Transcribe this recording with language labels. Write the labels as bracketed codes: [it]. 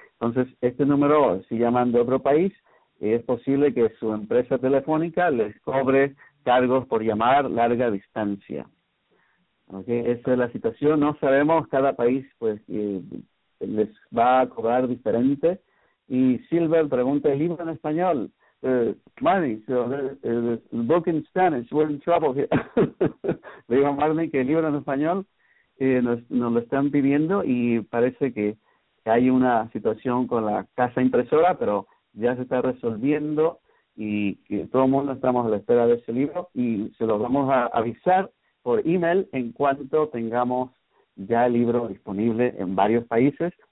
[es] Entonces, este número, si llaman de otro país, es posible que su empresa telefónica les cobre cargos por llamar larga distancia. Okay, esa es la situación. No sabemos, cada país pues les va a cobrar diferente. Y Silver pregunta: ¿el libro en español? [en] Marnie, so the book in Spanish, we're in trouble here. [es] Le digo a Marnie que el libro en español nos lo están pidiendo, y parece que hay una situación con la casa impresora, pero ya se está resolviendo, y que todo el mundo estamos a la espera de ese libro, y se lo vamos a avisar por email en cuanto tengamos ya el libro disponible en varios países.